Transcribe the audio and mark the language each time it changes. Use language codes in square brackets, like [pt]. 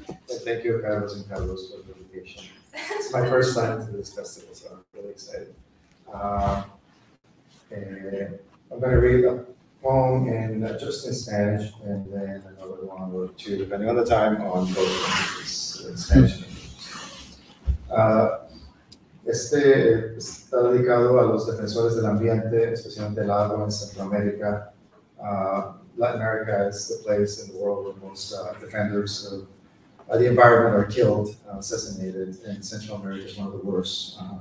[en] And thank you, Carlos and Carlos, for the invitation. It's my first time to this festival, so I'm really excited. I'm going to read a poem in just in Spanish, and then another one or two, depending on the time, on both languages in Spanish. [es] Este está dedicado a los defensores del ambiente, especialmente del agua en Centroamérica. [en] Latin America is the place in the world where most defenders of the environment are killed, assassinated, and Central America is one of the worst.